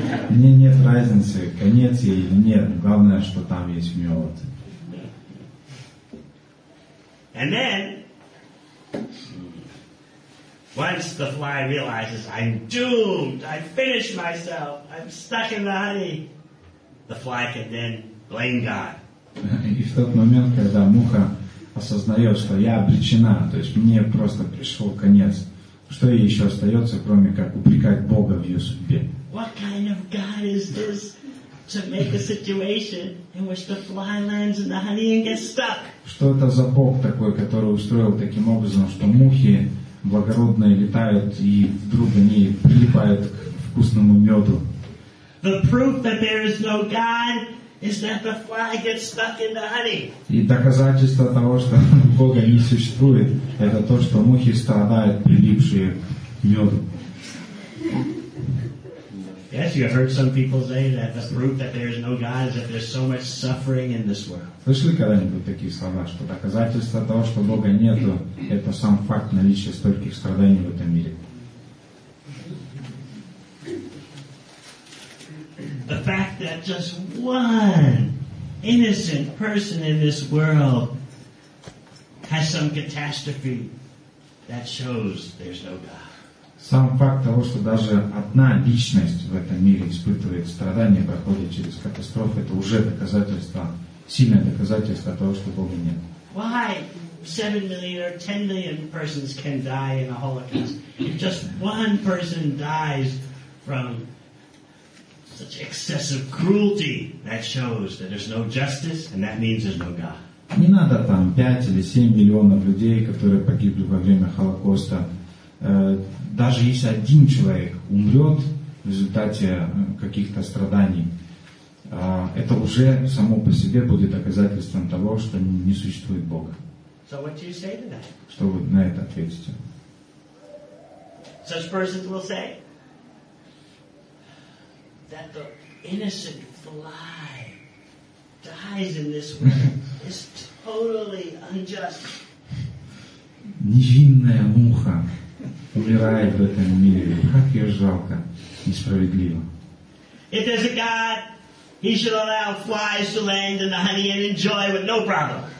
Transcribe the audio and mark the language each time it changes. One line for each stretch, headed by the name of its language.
Russian: Мне нет разницы, конец ей или нет. Главное, что там есть мёд.
English: And then, once the fly realizes I'm doomed, I finished myself, I'm stuck in the honey, the fly can then blame God.
Russian: И в тот момент, когда муха осознает, что я обречена, то есть мне просто пришел конец, что ей еще остается, кроме как упрекать Бога в ее судьбе?
English: What kind of God is this to make a situation in which the fly lands in the honey and gets stuck?
Russian: Что это за Бог такой, который устроил таким образом, что мухи благородные летают и вдруг они прилипают к вкусному меду?
English: The proof that there is no God is that the fly gets stuck in the honey.
Russian: И доказательство того, что Бога не существует, это то, что мухи страдают, прилипшие к меду.
English: Yes, you have heard some people say that the proof that there is no God is that there's so much suffering in this world.
Russian: Слышали когда-нибудь такие слова, что доказательство того, что Бога нету, это сам факт наличия стольких страданий в этом мире?
English: The fact that just one innocent person in this world has some catastrophe, that shows there's no God.
Russian: Сам факт того, что даже одна личность в этом мире испытывает страдания, проходит через катастрофы, это уже доказательство, сильное доказательство того, что Бога нет.
English: Why 7 million or 10 million persons can die in a Holocaust? If just one person dies from such excessive cruelty, that shows that there's no justice and that means there's no God.
Russian: Не надо там 5 или 7 миллионов людей, которые погибли во время Холокоста, даже если один человек умрет в результате каких-то страданий, это уже само по себе будет доказательством того, что не существует Бога.
English: So what do you say to that?
Russian: Что вы на это ответите?
English: Such persons will say that the innocent fly dies in this world is totally unjust.
Russian: Невинная муха умирает в этом мире. Как ее жалко, несправедливо.
English: If there's a God, he should allow flies to land in the honey and enjoy with no problem.